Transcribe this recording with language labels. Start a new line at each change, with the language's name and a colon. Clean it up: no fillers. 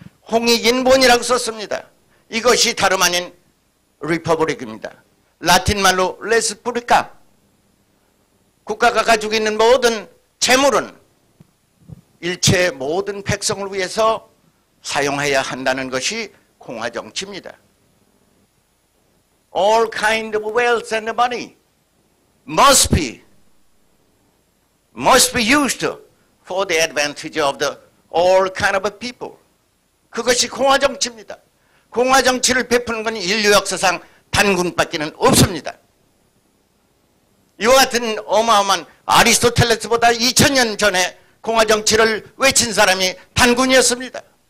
Korean: 홍익인본이라고 썼습니다. 이것이 다름 아닌 리퍼블릭입니다. 라틴말로 레스프리카. 국가가 가지고 있는 모든 재물은 일체 모든 백성을 위해서 사용해야 한다는 것이 공화정치입니다.
English: All kind of wealth and money must be used for the advantage of the all kind of people.
Korean: 그것이 공화정치입니다. 공화정치를 베푸는 건 인류 역사상 단군밖에는 없습니다. 이와 같은 어마어마한 아리스토텔레스보다 2000년 전에 공화정치를 외친 사람이 단군이었습니다.